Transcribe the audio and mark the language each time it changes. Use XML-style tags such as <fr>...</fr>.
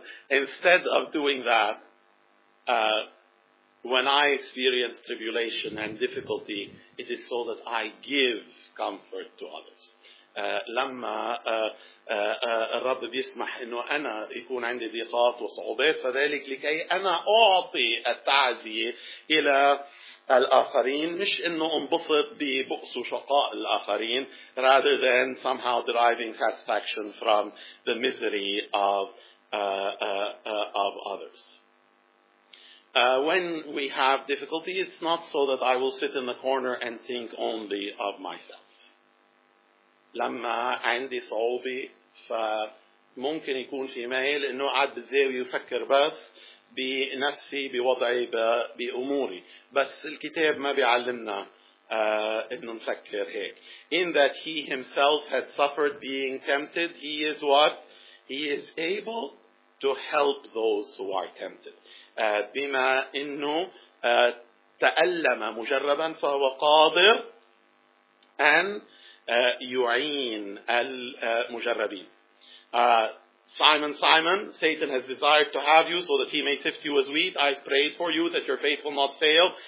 <en>Instead of doing that, when I experience tribulation and difficulty, it is so that I give comfort to others.</en> <ar>لما الرب بيسمح انه انا يكون عندي ضيقات وصعوبات فذلك لكي انا اعطي التعزية الى الآخرين مش إنه انبسط ببؤس وشقاء الآخرين</ar> <en>rather than somehow deriving satisfaction from the misery of of others. When we have difficulty, it's not so that I will sit in the corner and think only of myself.</en> <ar>لما عندي صعوبة فممكن يكون في ميل إنه قاعد بزاوية يفكر بس بنفسي بوضعي بأموري بس الكتاب ما بيعلمنا انه نفكر هيك.</ar> <en>In that he himself has suffered being tempted, he is what? He is able to help those who are tempted.</en> <ar>بما انه تألم مجربا فهو قادر ان يعين المجربين.</ar> <en>Simon, Simon, Satan has desired to have you so that he may sift you as wheat. I prayed for you that your faith will not fail.</en>